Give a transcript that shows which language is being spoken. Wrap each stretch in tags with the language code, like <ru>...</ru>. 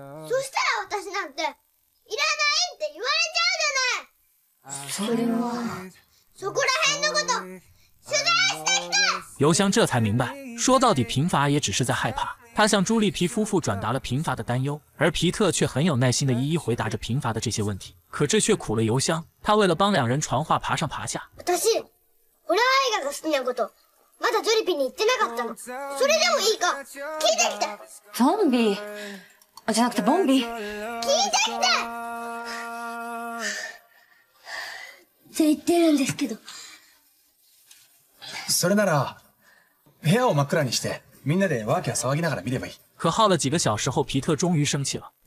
<ja>そしたら私なんていらないって言われちゃうじゃない。それは、そこら辺のこと取材してきて。</ja> <zh>邮箱这才明白，说到底贫乏也只是在害怕。他向朱丽缇夫妇转达了贫乏的担忧，而皮特却很有耐心地一一回答着贫乏的这些问题。可这却苦了邮箱，他为了帮两人传话爬上爬下。</zh> <ja>私、ホラー映画が好きなこと、まだジョリピに言ってなかったの。それでもいいか、聞いてきて。ゾンビ、あ、じゃなくてボンビ。聞いてきて。って言ってるんですけど。それなら、部屋を真っ暗にして。みんなでワーキャー騒ぎながら見ればいい。</ja> <zh>可耗了几个小时后，皮特终于生气了。</zh>